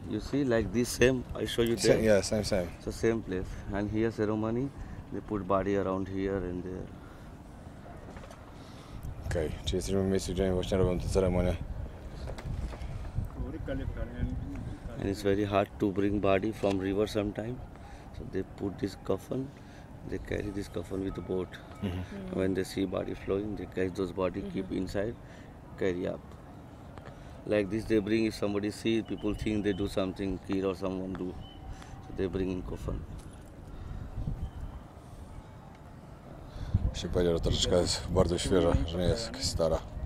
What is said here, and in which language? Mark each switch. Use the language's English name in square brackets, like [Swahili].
[English] You see, like this same, I show you there. Same. So same place. And here ceremony, they put body around here and there. Okej, okay. [Polish] Czyli jesteśmy w miejscu, gdzie właśnie robią tę ceremonię. [English] And it's very hard to bring body from river sometime. So they put this coffin, they carry this coffin with the boat. Mm-hmm. When they see body flowing, they catch those body, keep inside, carry up. Like this they bring, if somebody see, people think they do something, kill or someone do. So they bring in coffin. [Polish] Się powiedział, że troszeczkę jest bardzo świeża, że nie jest stara.